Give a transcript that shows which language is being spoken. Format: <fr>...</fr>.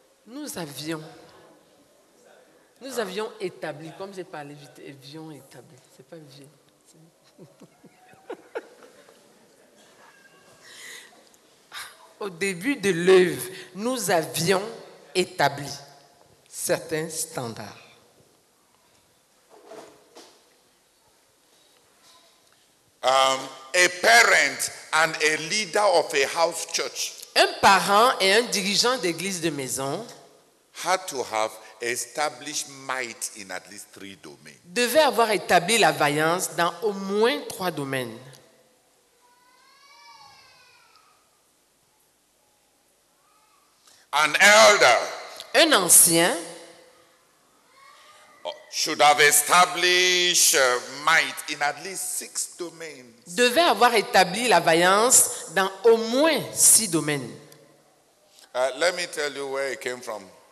<fr>Nous avions établi, comme j'ai parlé vite, avions établi. C'est pas vieux. Au début de l'œuvre, nous avions établi certains standards.</fr> <en>A parent and a leader of a house church.</en> <fr>Un parent et un dirigeant d'église de maison</fr> <en>had to have established might in at least three domains.</en> <fr>Devait avoir établi la vaillance dans au moins trois domaines.</fr> <en>An elder,</en> <fr>un ancien,</fr> <en>should have established might in at least six domains.</en> <fr>Devait avoir établi la vaillance dans au moins six domaines.</fr> <en>Let me tell you where it came from.</en>